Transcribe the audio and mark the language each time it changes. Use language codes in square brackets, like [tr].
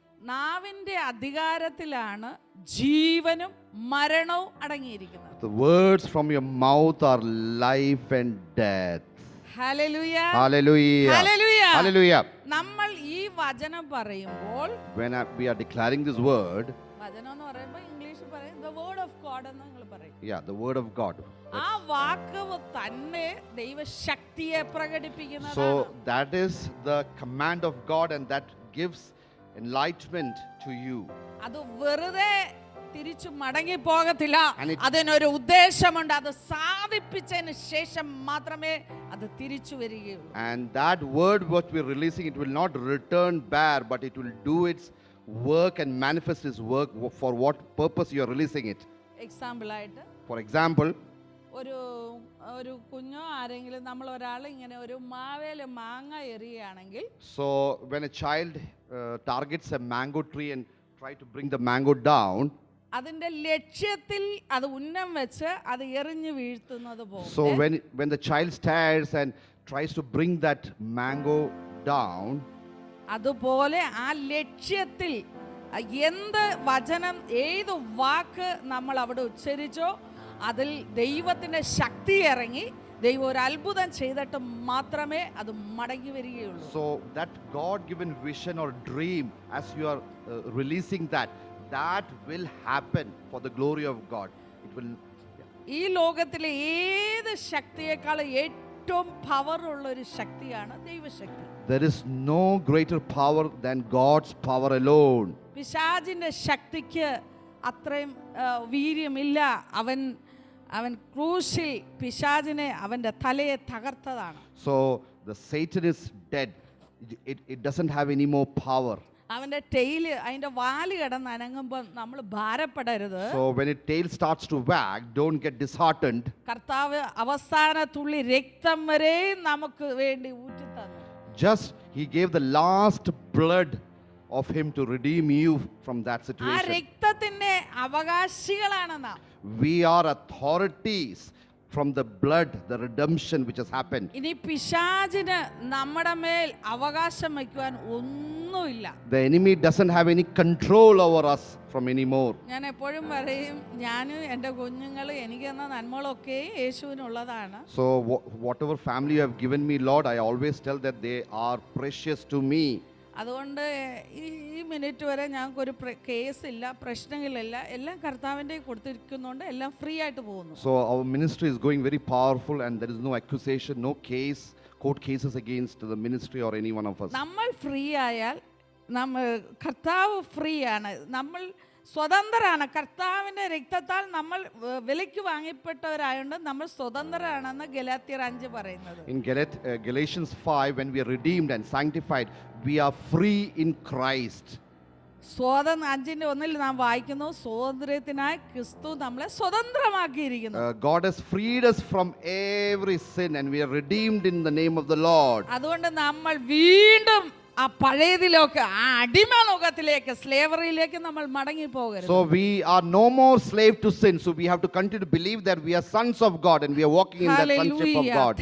[ml] നാവിന്റെ അധികാരത്തിലാണ് ജീവനും മരണവും അടങ്ങിയിരിക്കുന്നത്. [en] The words from your mouth are life and death. Hallelujah. Hallelujah. Hallelujah. Hallelujah. [ml] നമ്മൾ ഈ വചനം പറയുമ്പോൾ, [en] when we are declaring this word, [ml] വചനം എന്ന് പറയുമ്പോൾ ഇംഗ്ലീഷിൽ പറയും [en] the word of God [ml] എന്ന് നിങ്ങൾ പറയും. [en] Yeah, the word of God. [ml] ആ വാക്ക് തന്നെ ദൈവശക്തിയെ പ്രകടിപ്പിക്കുന്നു. [en] So that is the command of God and that gives enlightenment to you. [ml] അത് വെറുതെ തിരിച്ചു മടങ്ങി പോകത്തില്ല, അതിനൊരു ഉദ്ദേശമുണ്ട്. അത് സാധിപ്പിച്ചതിന് ശേഷം മാത്രമേ അത് തിരിച്ചു വരികയുള്ളൂ. [en] And that word what we're releasing, it will not return bare, but it will do its work and manifest its work for what purpose you're releasing it. [ml] Example ആയിട്ട്, [en] for example, [ml] ഒരു ഒരു കുഞ്ഞോ ആരെങ്കിലും നമ്മൾ ഒരാൾ ഇങ്ങനെ ഒരു മാവേല മാങ്ങ എറിയുകയാണെങ്കിൽ, [en] so when a child targets a mango tree and try to bring the mango down, [ml] അതിന്റെ ലക്ഷ്യത്തിൽ അത് ഉന്നം വെച്ച് അത് എറിഞ്ഞു വീഴ്ത്തുന്നത് പോലെ, [en] so when the child stares and tries to bring that mango down, [ml] അതുപോലെ ആ ലക്ഷ്യത്തിൽ എന്ത് വചനം ഏത് വാക്ക് നമ്മൾ അവിടെ ഉച്ചരിച്ചോ അതിൽ ദൈവത്തിന്റെ ശക്തി ഇറങ്ങി ദൈവം ഒരു അത്ഭുതം ചെയ്തിട്ട് മാത്രമേ അത് മടങ്ങി വരികയുള്ളൂ. [en] So that God given vision or dream, as you are releasing that will happen for the glory of God. It will, [ml] ഈ ലോകത്തിലെ ഏത് ശക്തിയേക്കാളും ഏറ്റവും പവർ ഉള്ള ഒരു ശക്തിയാണ് ദൈവശക്തി. [en] There is no greater power than God's power alone. [ml] പിശാചിന്റെ ശക്തിക്ക് അത്രയും വീര്യമില്ല. അവൻ ക്രൂശിൽ പിശാചിനെ അവന്റെ തലയെ തകർത്തതാണ്. [en] So the Satan is dead. It doesn't have any more power. [ml] അവന്റെ ടെയില് അതിന്റെ വാല് കിടന്ന് അനങ്ങുമ്പോൾ നമ്മൾ ഭാരപ്പെടരുത്. [en] So when its tail starts to wag, don't get disheartened. [ml] കർത്താവ് അവസാന തുള്ളി രക്തം വരെ നമുക്ക് വേണ്ടി ഊറ്റി തന്നു. [en] Just he gave the last blood of him to redeem you from that situation. [ml] ആ രക്തത്തിന്റെ അവകാശികളാണ് നാം. [en] We are authorities from the blood, the redemption which has happened. [ml] ഇനി പിശാചിനെ നമ്മുടെ മേൽ അവകാശം വെക്കാൻ ഒന്നുമില്ല. [en] The enemy doesn't have any control over us from anymore. [ml] ഞാൻ എപ്പോഴും പറയും, ഞാനും എൻ്റെ കുഞ്ഞുങ്ങളും എനിക്കെന്ന നന്മകളൊക്കെ യേശുവിനുള്ളതാണ്. [en] So whatever family you have given me, Lord, I always tell that they are precious to me. [ml] അതുകൊണ്ട് ഈ മിനിറ്റ് വരെ ഞങ്ങൾക്ക് ഒരു കേസ് ഇല്ല, പ്രശ്നങ്ങളില്ല, എല്ലാം കർത്താവിന്റെ കൊടുത്തിരിക്കുന്നുണ്ട്, എല്ലാം ഫ്രീ ആയിട്ട് പോകുന്നു. [en] So our ministry is going very powerful and there is no accusation, no case, court cases against the ministry or any one of us. [ml] നമ്മൾ ഫ്രീ ആയാൽ നമ്മൾ കർത്താവ് ഫ്രീ ആണ്, നമ്മൾ സ്വതന്ത്രരാണ്. കർത്താവിന്റെ രക്തത്താൽ നമ്മൾ വിലയ്ക്ക് വാങ്ങിപ്പെട്ടവരായോണ്ട് നമ്മൾ സ്വതന്ത്രരാണെന്ന് ഗലാത്യർ 5 പറയുന്നത്. [en] In Galatians 5 when we are redeemed and sanctified, we are free in Christ. [ml] സ്വതന്ത്ര 5-ന്റെ 1-ൽ നാം വായിക്കുന്നു, സ്വാതന്ത്ര്യത്തിനായി ക്രിസ്തു നമ്മളെ സ്വതന്ത്രമാക്കിയിരിക്കുന്നു. [en] God has freed us from every sin and we are redeemed in the name of the Lord. [ml] അതുകൊണ്ട് നമ്മൾ വീണ്ടും ആ പഴയതിലേക്ക്, ആ അടിമ ലോകത്തിലേക്ക്, സ്ലേവറിയിലേക്ക് നമ്മൾ മടങ്ങി പോകരുത്. [en] So we are no more slave to sin. So we have to continue to believe that we are sons of God and we are walking in the sonship of God.